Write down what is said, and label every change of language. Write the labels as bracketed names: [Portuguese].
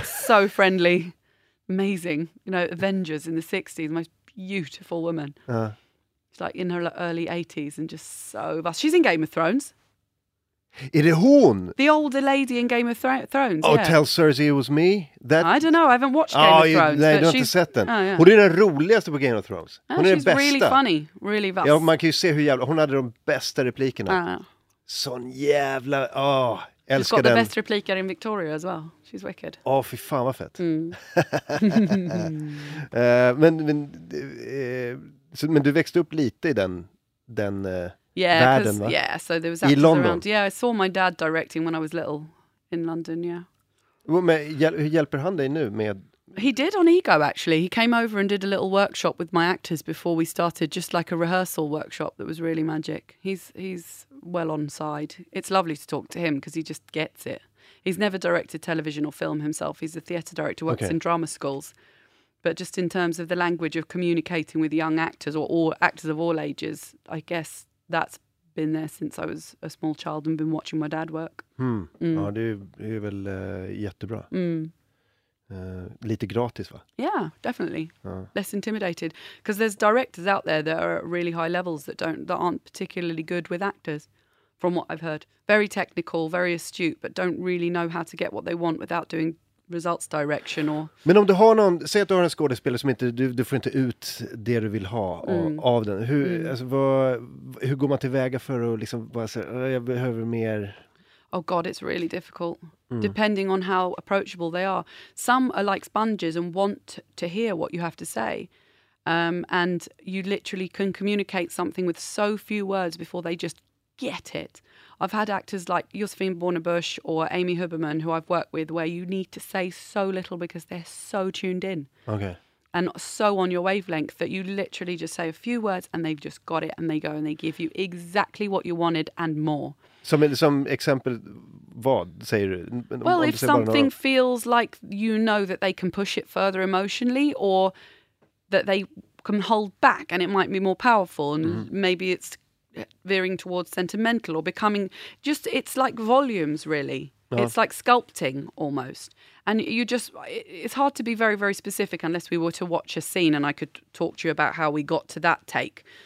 [English] So friendly. Amazing. You know, Avengers in the 60s, most beautiful woman. She's like in her early 80s and just so vast. She's in Game of Thrones. [Swedish] Är det hon? [English] The older lady in Game of Thrones. Oh, yeah. Tell Cersei it was me. That... I don't know, I haven't watched Game of Thrones. [Swedish] Nej, du har inte sett den. Hon är den roligaste på Game of Thrones. Hon är den bästa. [English] Really funny, really vast. [Swedish] Ja, man kan ju se hur jävla... Hon hade de bästa replikerna. Sån jävla... Oh, älskar den. [English] She's got the best replikar in Victoria as well. She's wicked. [Swedish] Åh, fy fan vad fett. Mm. men du växte upp lite i den [English] Yeah, [Swedish] världen, va? [English] Yeah, so there was actors around. Yeah, I saw my dad directing when I was little in London, yeah. [Swedish] Well, men hur hjälper han dig nu med... [English] He did on Ego, actually. He came over and did a little workshop with my actors before we started, just like a rehearsal workshop that was really magic. He's well on side. It's lovely to talk to him because he just gets it. He's never directed television or film himself. He's a theatre director, works in drama schools. But just in terms of the language of communicating with young actors or actors of all ages, I guess... That's been there since I was a small child and been watching my dad work. [Swedish] Ja, det är väl jättebra. Lite gratis, va? [English] Yeah, definitely. Less intimidated. Because there's directors out there that are at really high levels that aren't particularly good with actors, from what I've heard. Very technical, very astute, but don't really know how to get what they want without doing results direction or... [Swedish] Men om du har någon, säg att du har en skådespelare som inte, du får inte ut det du vill ha av den. Hur går man tillväga för att liksom bara säga, jag behöver mer... [English] Oh God, it's really difficult. Depending on how approachable they are. Some are like sponges and want to hear what you have to say. And you literally can communicate something with so few words before they just get it. I've had actors like Josephine Bornebusch or Amy Huberman, who I've worked with, where you need to say so little because they're so tuned in. Okay. And so on your wavelength that you literally just say a few words and they've just got it, and they go and they give you exactly what you wanted and more. Some example, [Swedish] vad säger du? [English] Well, if something feels like you know that they can push it further emotionally, or that they can hold back and it might be more powerful, and maybe it's veering towards sentimental or becoming just, it's like volumes, really. Uh-huh. It's like sculpting almost. And you just, it's hard to be very, very specific unless we were to watch a scene and I could talk to you about how we got to that take.